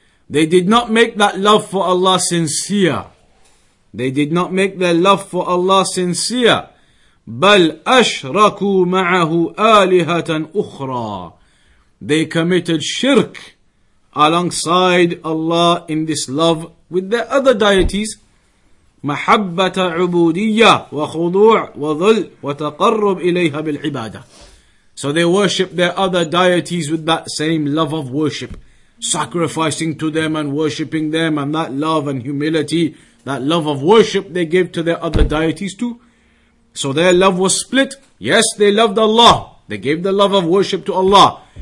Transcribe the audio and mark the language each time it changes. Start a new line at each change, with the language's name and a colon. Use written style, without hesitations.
English: They did not make that love for Allah sincere. They did not make their love for Allah sincere.
Arabic: بل أشركوا معه آلهة أخرى.
English: They committed shirk alongside Allah in this love with their other deities.
Arabic: محبة عبودية وخضوع وظل وتقرب إليها بالعبادة.
English: So they worship their other deities with that same love of worship, sacrificing to them and worshipping them, and that love and humility, that love of worship they give to their other deities too. So their love was split. Yes, they loved Allah. They gave the love of worship to Allah.